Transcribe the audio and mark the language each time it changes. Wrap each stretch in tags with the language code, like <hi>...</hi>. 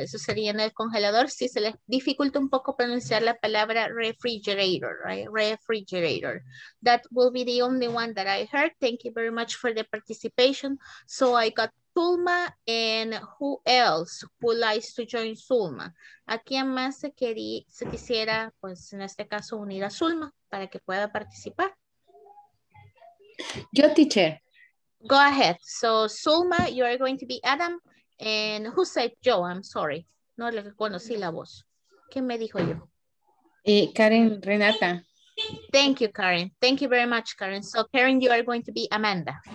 <es>Eso sería en el congelador. Sí, se les dificulta un poco pronunciar la palabra refrigerator, right?</es> <en>Refrigerator. That will be the only one that I heard. Thank you very much for the participation. So I got Zulma, and who else would like to join Zulma?</en> <es>¿A quién más se quisiera, pues en este caso, unir a Zulma para que pueda participar? Yo, teacher.</es> <en>Go ahead. So Zulma, you are going to be Adam. And who said Joe? I'm sorry.</en> <es>No le conocí la voz. ¿Quién me dijo yo? Karen Renata.</es> <en>Thank you, Karen. Thank you very much, Karen. So, Karen, you are going to be Amanda.</en>